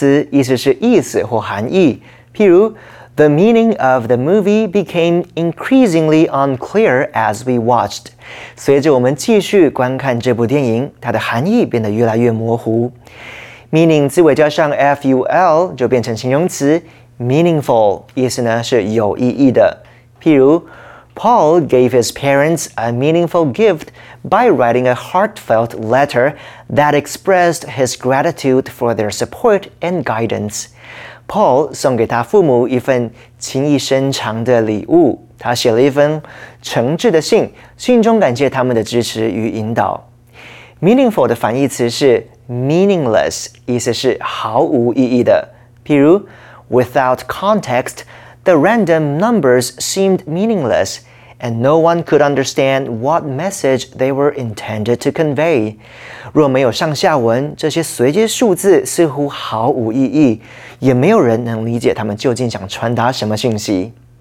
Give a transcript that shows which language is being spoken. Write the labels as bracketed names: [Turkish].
[English] The meaning of the movie became increasingly unclear as we watched. [Chinese] 随着我们继续观看这部电影，它的含义变得越来越模糊。 Meaning 字尾加上 ful 就变成形容词 meaningful， 意思呢是有意义的。 [English] 譬如 ，Paul gave his parents a meaningful gift by writing a heartfelt letter that expressed his gratitude for their support and guidance. [Chinese] Paul 送给他父母一份情意深长的礼物，他写了一封诚挚的信，信中感谢他们的支持与引导。 Meaningful 的反义词是meaningless， 意思是毫无意义的。 [English] 譬如 ，without context， the random numbers seemed meaningless， and no one could understand what message they were intended to convey。 [Chinese] 若没有上下文，这些随机数字似乎毫无意义，也没有人能理解他们究竟想传达什么讯息。